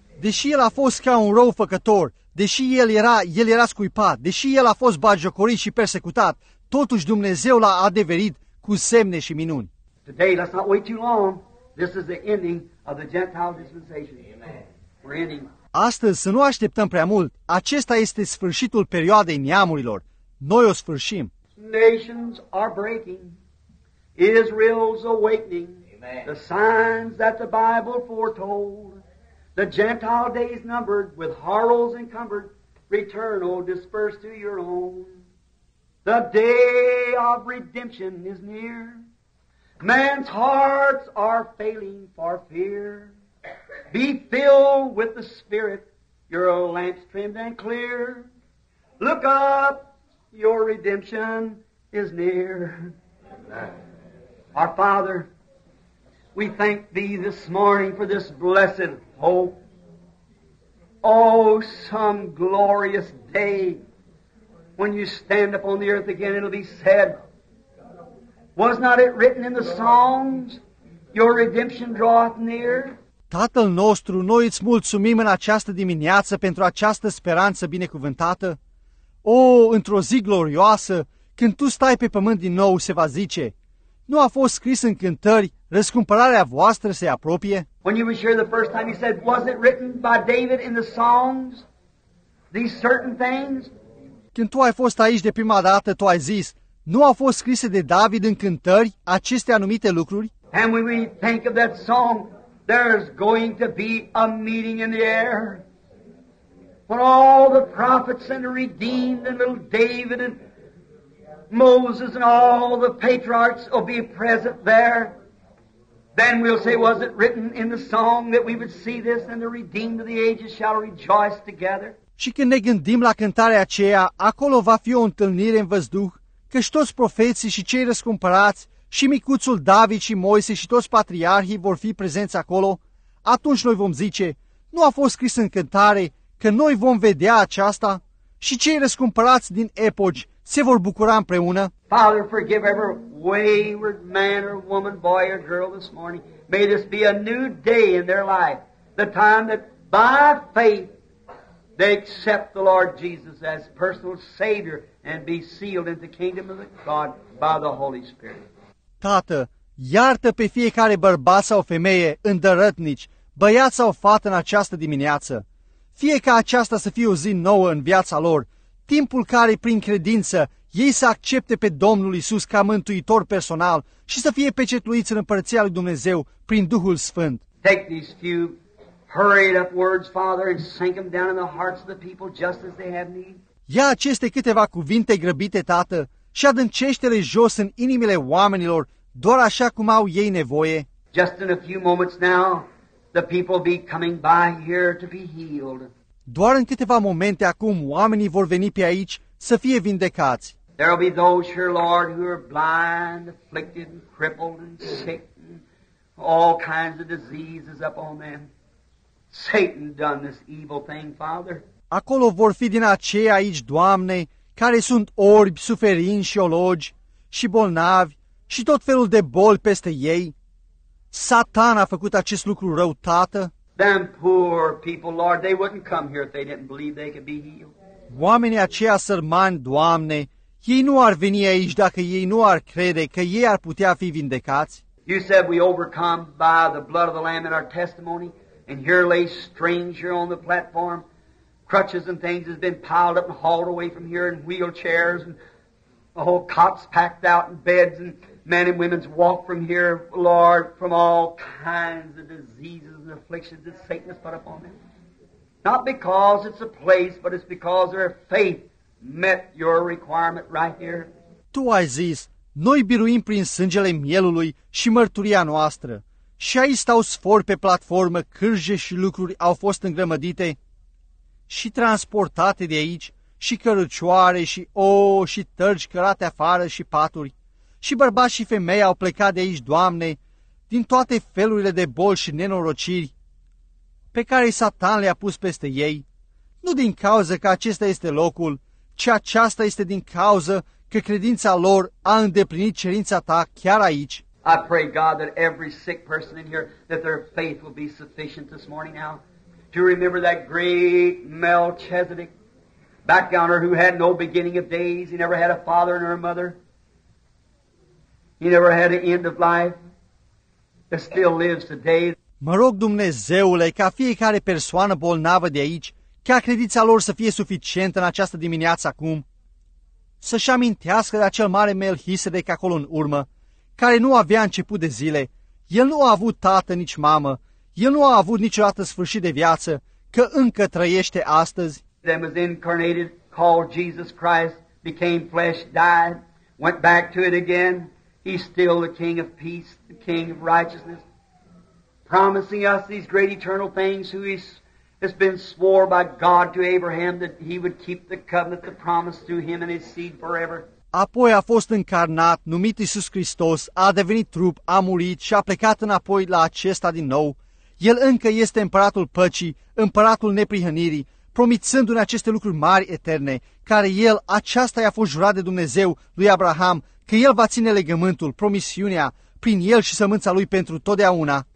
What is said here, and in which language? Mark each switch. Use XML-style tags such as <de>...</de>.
<ro>Deși el a fost ca un rău făcător, deși el era scuipat, deși el a fost batjocorit și persecutat, totuși Dumnezeu l-a adeverit cu semne și minuni.</ro> <en>Today, let's not wait too long. This is the ending of the Gentile dispensation. Amen. We're ending.</en> <ro>Astăzi, să nu așteptăm prea mult, acesta este sfârșitul perioadei neamurilor. Noi o sfârșim.</ro> <en>Nations are breaking. Israel's awakening. Amen. The signs that the Bible foretold. The Gentile days numbered with horrors encumbered. Return, O disperse to your own. The day of redemption is near. Man's hearts are failing for fear. Be filled with the Spirit, your lamps trimmed and clear. Look up, your redemption is near. Our Father, we thank Thee this morning for this blessed hope. Oh, some glorious day when You stand upon the earth again, it'll be said, was not it written in the Psalms, Your redemption draweth near?</en> <ro>Tatăl nostru, noi îți mulțumim în această dimineață pentru această speranță binecuvântată. O, într-o zi glorioasă, când Tu stai pe pământ din nou, se va zice, nu a fost scris în cântări, răscumpărarea voastră se apropie?</ro> <en>When you were here the first time, you said, was it written by David in the Psalms, these certain things?</en> <ro>Când Tu ai fost aici de prima dată, Tu ai zis, nu a fost scrise de David în cântări aceste anumite lucruri?</ro> <en>And when we think of that song, there's going to be a meeting in the air. When all the prophets and the redeemed and little David and Moses and all the patriarchs will be present there. Then we'll say, was it written in the song that we would see this and the redeemed of the ages shall rejoice together?</en> <ro>Și când ne gândim la cântarea aceea, acolo va fi o întâlnire în văzduh, căci toți profeții și cei răscumpărați și micuțul David și Moise și toți patriarhii vor fi prezenți acolo, atunci noi vom zice, nu a fost scris în cântare că noi vom vedea aceasta și cei răscumpărați din epoci se vor bucura împreună.</ro> <en>Father, forgive every wayward man or woman, boy or girl this morning. May this be a new day in their life, the time that by faith they accept the Lord Jesus as personal Savior and be sealed into the kingdom of God by the Holy Spirit.</en> <ro>Tată, iartă pe fiecare bărbat sau femeie, îndărătnici, băiat sau fată în această dimineață. Fie ca aceasta să fie o zi nouă în viața lor, timpul care, prin credință, ei să accepte pe Domnul Iisus ca mântuitor personal și să fie pecetluiți în împărăția lui Dumnezeu prin Duhul Sfânt.</ro> <en>Take these few hurried up words, Father, and sink them down in the hearts of the people just as they have need.</en> <ro>Ia aceste câteva cuvinte grăbite, Tată, și adâncește-le jos în inimile oamenilor, doar așa cum au ei nevoie.</ro> <en>Just in a few moments now, the people be coming by here to be healed.</en> <ro>Doar în câteva momente acum, oamenii vor veni pe aici să fie vindecați.</ro> <en>There will be those here, Lord, who are blind, afflicted, and crippled, and sick, and all kinds of diseases upon them. Satan done this evil thing, Father.</en> <ro>Acolo vor fi din aceia aici, Doamne, care sunt orbi, suferinți și ologi, și bolnavi, și tot felul de boli peste ei. Satan a făcut acest lucru rău, Tată.</ro> <en>Them poor people, Lord, they wouldn't come here if they didn't believe they could be healed.</en> <ro>Oamenii aceia sărmani, Doamne, ei nu ar veni aici dacă ei nu ar crede că ei ar putea fi vindecați.</ro> <en>You said we overcome by the blood of the Lamb in our testimony. And here lay stranger on the platform. Crutches and things has been piled up and hauled away from here, and wheelchairs and the whole cots packed out and beds, and men and women's walk from here, Lord, from all kinds of diseases and afflictions that Satan has put upon them. Not because it's a place, but it's because their faith met your requirement right here.</en> <ro>Tu ai zis, noi biruim prin sângele mielului și mărturia noastră. Și aici stau sfori pe platformă, cârje și lucruri au fost îngrămădite și transportate de aici, și cărucioare, și ouă, și tărgi cărate afară, și paturi. Și bărbați și femei au plecat de aici, Doamne, din toate felurile de boli și nenorociri pe care Satan le-a pus peste ei, nu din cauză că acesta este locul, ci aceasta este din cauză că credința lor a îndeplinit cerința ta chiar aici.</ro> <en>I pray God that every sick person in here, that their faith will be sufficient this morning now. Do you remember that great Melchizedek back on her who had no beginning of days? He never had a father and her mother. He never had an end of life. That still lives today.</en> <ro>Mă rog, Dumnezeule, ca fiecare persoană bolnavă de aici, ca credința lor să fie suficientă în această dimineață acum, să-și amintească de acel mare Melchizedek acolo în urmă, care nu avea început de zile, el nu a avut tată nici mamă, el nu a avut niciodată sfârșit de viață, că încă trăiește astăzi.</ro> <en>Them was incarnated, called Jesus Christ, became flesh, died, went back to it again. He's still the King of peace, the King of righteousness, promising us these great eternal things, who has been swore by God to Abraham that he would keep the covenant, the promise through him and his seed forever.</en> <ro>Apoi a fost încarnat, numit Iisus Hristos, a devenit trup, a murit și a plecat înapoi la acesta din nou. El încă este împăratul păcii, împăratul neprihănirii, promițându-ne aceste lucruri mari, eterne, care el, aceasta i-a fost jurat de Dumnezeu lui Abraham, că el va ține legământul, promisiunea, prin el și sămânța lui pentru totdeauna.</ro>